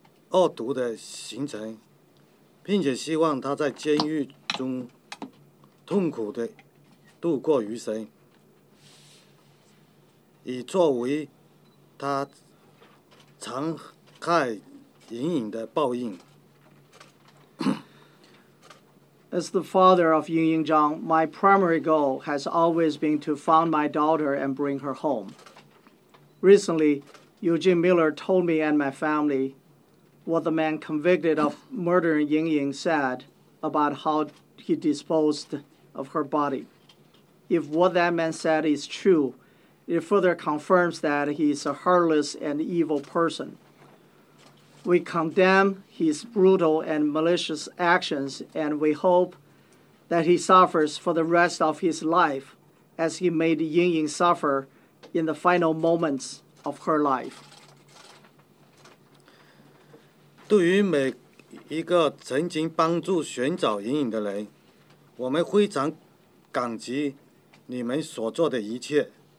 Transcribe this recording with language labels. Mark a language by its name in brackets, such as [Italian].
[Chinese] 恶毒的行程，并且希望他在监狱中痛苦地度过余生， 以作为他残害莹莹的报应。 [English] As the father of Yingying Zhang, my primary goal has always been to find my daughter and bring her home. Recently, Eugene Miller told me and my family what the man convicted of murdering Yingying said about how he disposed of her body. If what that man said is true, it further confirms that he is a heartless and evil person. We condemn his brutal and malicious actions, and we hope that he suffers for the rest of his life as he made Yingying suffer in the final moments of her life. [Chinese] 对于每一个曾经帮助寻找莹莹的人，我们非常感激你们所做的一切。